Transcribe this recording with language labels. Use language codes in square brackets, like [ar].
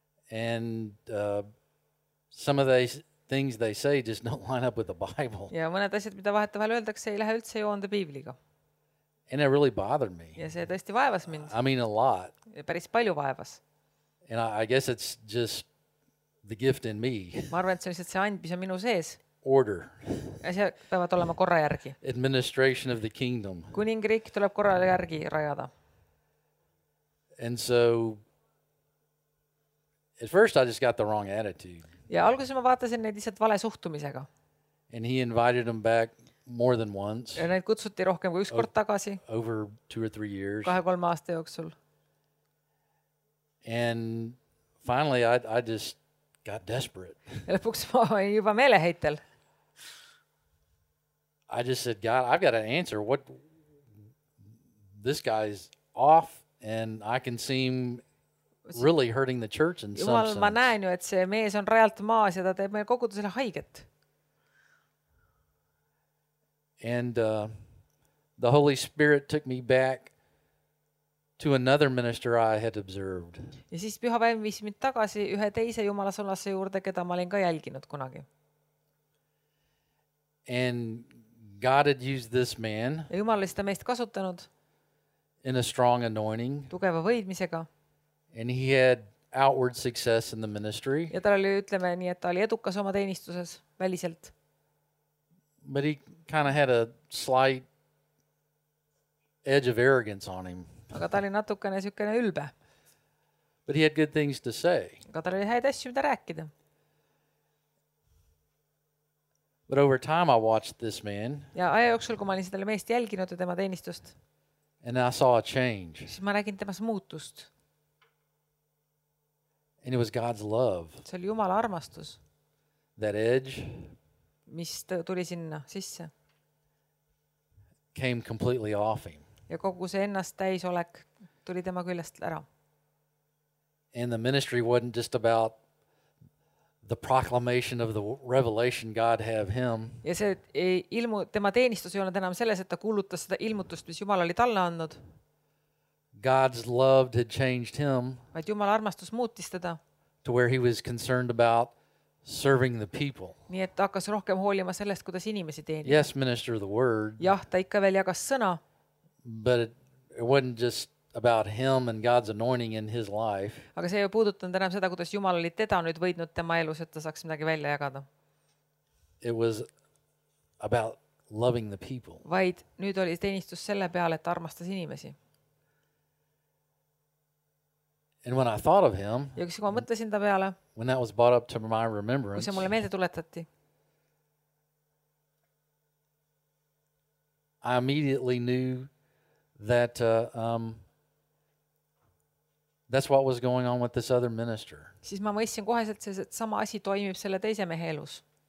[en] And some of these things they say just don't line up with the Bible. [et] Ja mõned asjad, mida vahetavahel öeldakse, ei lähe üldse joonde piibliga. [en] And it really bothered me. [et] Ja see tõesti vaevas mind. [en] I mean a lot. [et] Ja päris palju vaevas. [en] And I guess it's just the gift in me. [et] Ma arvan, et see on see and, mis on minu sees. [en] Order. [et] Ja see peavad olema korra järgi. [en] Administration of the kingdom. [et] Kuningriik tuleb korra järgi rajada. [en] And so at first I just got the wrong attitude. [et] Ja alguses ma vaatasin neid lihtsalt vale suhtumisega. [en] And he invited them back more than once. [et] Ja neid kutsuti rohkem kui üks kord tagasi. [en] Over 2 or 3 years. [et] 2-3 aasta jooksul. [en] And finally I just got desperate. [et] Ja lõpuks ma olin juba meeleheitel. [en] I just said, "God, I've got an answer. What this guy's off and I can seem really hurting the church in some sense." [et] Ma näen ju, et see mees on rajalt maas ja ta teeb meil kogudusele haiget. [en] And the Holy Spirit took me back to another minister I had observed. [et] Ja siis püha vaim viis mind tagasi ühe teise jumalasõnase juurde, keda ma olin ka jälginud kunagi. [en] And God had used this man. [et] Ja Jumal oli seda meest kasutanud. [en] In a strong anointing. [et] Tugeva võidmisega. [en] And he had outward success in the ministry. [et] Ja tal oli, ütleme nii, et ta oli edukas oma teenistuses väliselt. [en] But he kind of had a slight edge of arrogance on him. [et] Aga ta oli natukene siukene ülbe. [en] But he had good things to say. [et] Aga tal oli häid asju, mida rääkida. [en] But over time I watched this man. [et] Ja aja jooksul, kui ma olin selle meest jälginud ja tema teenistust. [en] And I saw a change. [et] Siis ma nägin temas muutust. [en] And it was God's love. [et] See oli Jumala armastus. [en] That edge. [et] Mis tuli sinna sisse. [en] Came completely off him. [et] Ja kogu see ennast täis olek tuli tema küljest ära. [en] And the ministry wasn't just about the proclamation of the revelation God have him. [et] Ja see ilmu tema teenistus ei olnud enam selles, et ta kuulutas seda ilmutust, mis Jumal oli talle annud. [en] God's love had changed him. [et] Vaid Jumal armastus muutis teda. [en] To where he was concerned about serving the people. [et] Nii et hakkas rohkem hoolima sellest, kuidas inimesi teenida. [en] Yes, minister of the word. [et] Jah, ta ikka veel jagas sõna. [en] But it wasn't just about him and God's anointing in his life. [et] Aga see ei puudutanud enam seda, kuidas Jumal oli teda nüüd võidnud tema elus, et ta saaks midagi välja jagada. [en] It was about loving the people. [et] Vaid nüüd oli teenistus selle peale, et armastas inimesi. [en] And when I thought of him, [et] ja kui ma mõtlesin ta peale, [en] when that was brought up to my remembrance, [et] kui see mulle meelde tuletati, [en] I immediately knew that that's what was going on with this other minister. [et] Siis ma mõtlesin koheselt, et sama asi toimib selle teise mehe elus.